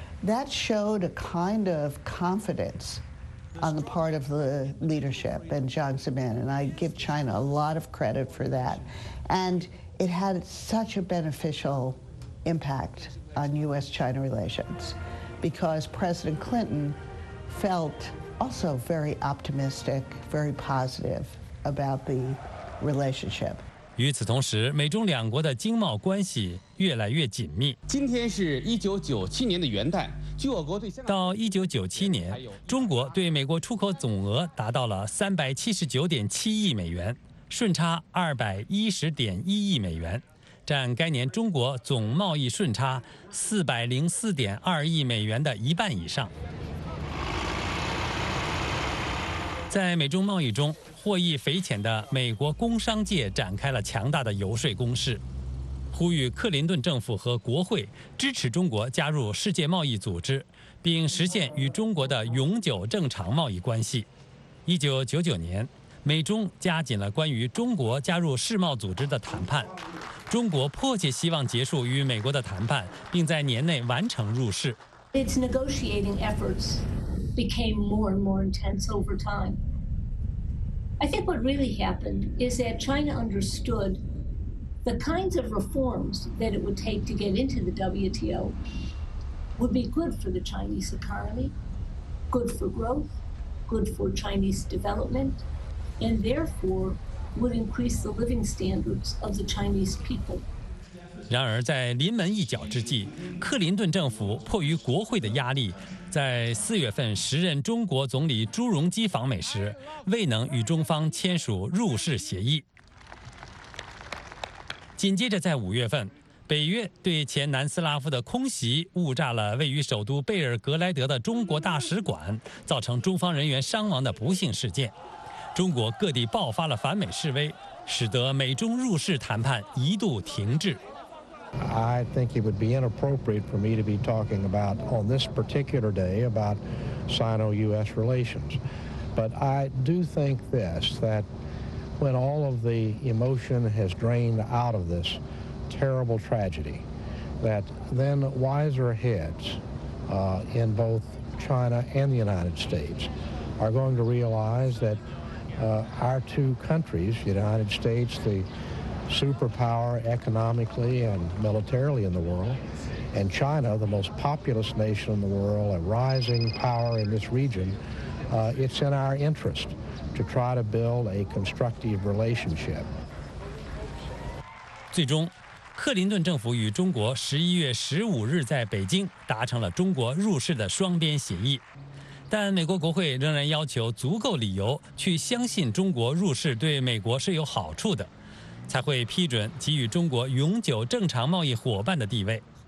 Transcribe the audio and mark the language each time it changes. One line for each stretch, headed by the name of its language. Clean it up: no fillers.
English: That showed a kind of confidence on the part of the leadership and Jiang Zemin, and I give China a lot of credit for that. And it had such a beneficial impact on U.S.-China relations, because President Clinton felt also very optimistic, very positive about the relationship.
Chinese: 与此同时，美中两国的经贸关系越来越紧密。今天是1997年的元旦，据我国对香港到1997年，中国对美国出口总额达到了379.7亿美元，顺差210.1亿美元，占该年中国总贸易顺差404.2亿美元的一半以上。在美中贸易中获益匪浅的美国工商界展开了强大的游说攻势，呼吁克林顿政府和国会支持中国加入世界贸易组织，并实现与中国的永久正常贸易关系。 1999年，美中加紧了关于中国加入世贸组织的谈判，中国迫切希望结束与美国的谈判，并在年内完成入世。
English: Its negotiating efforts became more and more intense over time. I think what really happened is that China understood the kinds of reforms that it would take to get into the WTO would be good for the Chinese economy, good for growth, good for Chinese development. And therefore, would increase the living standards of the Chinese people.
Chinese: 然而，在临门一脚之际，克林顿政府迫于国会的压力，在4月份时任中国总理朱镕基访美时，未能与中方签署入世协议。紧接着，在5月份，北约对前南斯拉夫的空袭误炸了位于首都贝尔格莱德的中国大使馆，造成中方人员伤亡的不幸事件。中国各地爆发了反美示威，使得美中入世谈判一度停滞。
English: I think it would be inappropriate for me to be talking about on this particular day about Sino-U.S. relations. But I do think this, that when all of the emotion has drained out of this terrible tragedy, that then wiser heads in both China and the United States are going to realize that our two countries, the United States, the superpower economically and militarily in the world, and China, the most populous nation in the world, a rising power in this region, it's in our interest to try to build a constructive relationship.
Chinese: 最终，克林顿政府与中国11月15日在北京达成了中国入世的双边协议，但美国国会仍然要求足够理由去相信中国入世对美国是有好处的，才会批准给予中国永久正常贸易伙伴的地位。